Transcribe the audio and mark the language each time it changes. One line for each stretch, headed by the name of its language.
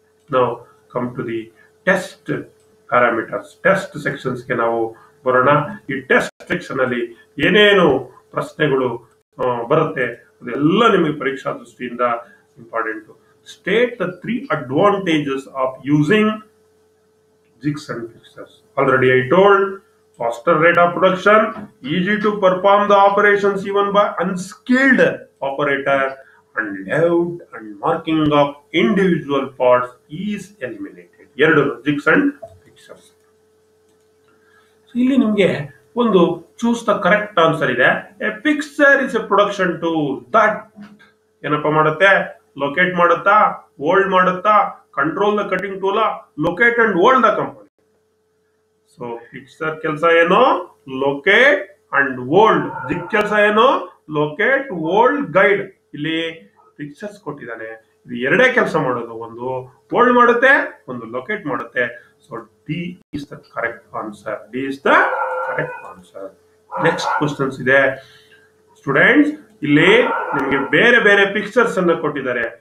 English: ನಾವು come to the test parameters, test sections
Kannada: ಗೆ ನಾವು ಬರೋಣ. ಈ ಟೆಸ್ಟ್ ಸೆಕ್ಷನ್ ಅಲ್ಲಿ ಏನೇನು ಪ್ರಶ್ನೆಗಳು ಬರುತ್ತೆ ಅದೆಲ್ಲ ನಿಮಗೆ ಪರೀಕ್ಷಾ ದೃಷ್ಟಿಯಿಂದ important.
English: State the three advantages of using jigs and fixtures. Already I told faster rate of production, easy to perform the operations even by unskilled operator, and layout and marking of individual parts is eliminated. Yeradu jigs and fixtures. So
Kannada: illi nimge ondu
English: choose the correct answer ide. A fixture is a production tool that
Kannada: enappa madutte,
English: locate madutta, hold madutta, control the cutting tool, locate and hold the component. So fixture
Kannada: kelsa eno,
English: locate and hold. Jig
Kannada: kelsa eno,
English: locate, hold, guide.
Kannada: Illi fixers ಕೊಟ್ಟಿದ್ದಾನೆ. ಇದು ಎರಡೇ ಕೆಲಸ ಮಾಡೋದು, ಒಂದು hold ಮಾಡುತ್ತೆ, ಒಂದು locate ಮಾಡುತ್ತೆ.
English: So D is the correct answer, D is the correct answer.
Kannada: Next questions ಇದೆ ಸ್ಟೂಡೆಂಟ್ಸ್. ಇಲ್ಲಿ ನಿಮಗೆ ಬೇರೆ ಬೇರೆ ಫಿಕ್ಸರ್ಸ್ ಅನ್ನ ಕೊಟ್ಟಿದ್ದಾರೆ.